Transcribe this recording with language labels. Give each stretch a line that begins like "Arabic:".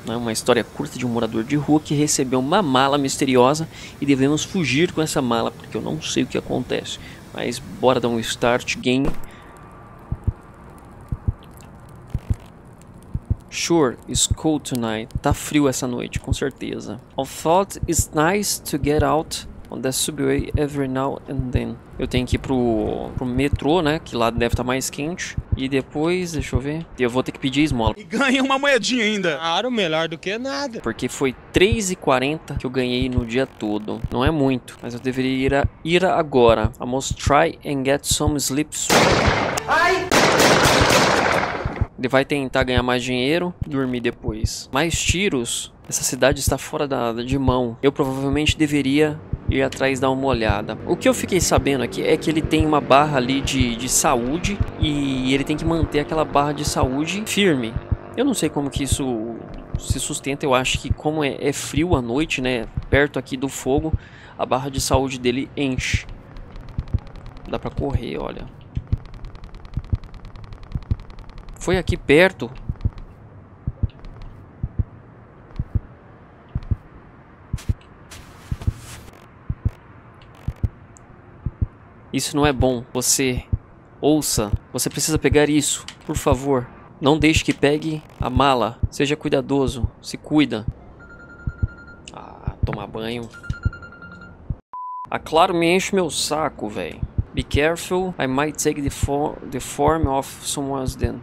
Portuguese: É uma história curta de um morador de rua que recebeu uma mala misteriosa e devemos fugir com essa mala porque eu não sei o que acontece. Mas bora dar um start game.
English: Sure, it's cold tonight.
Portuguese: Tá frio essa noite, com certeza.
English: I thought it's nice to get out on the subway every now and then.
Portuguese: Eu tenho que ir pro metrô, né? Que lá deve estar mais quente. E depois, deixa eu ver. Eu vou ter que pedir esmola. E ganha uma moedinha ainda. Claro, melhor do que nada. Porque foi 3,40 que eu ganhei no dia todo. Não é muito, mas eu deveria ir agora.
English: I must try and get some sleep soon. Ai!
Portuguese: Ele vai tentar ganhar mais dinheiro e dormir depois. Mais tiros? Essa cidade está fora de mão. Eu provavelmente deveria ir atrás dar uma olhada. O que eu fiquei sabendo aqui é que ele tem uma barra ali de saúde. E ele tem que manter aquela barra de saúde firme. Eu não sei como que isso se sustenta. Eu acho que como é frio à noite, né? Perto aqui do fogo, a barra de saúde dele enche. Dá pra correr, olha. Foi aqui perto. Isso não é bom. Você, ouça. Você precisa pegar isso. Por favor, não deixe que pegue a mala. Seja cuidadoso. Se cuida. Ah, tomar banho. Ah, claro, me enche meu saco, velho.
English: Be careful, I might take the form of someone's den.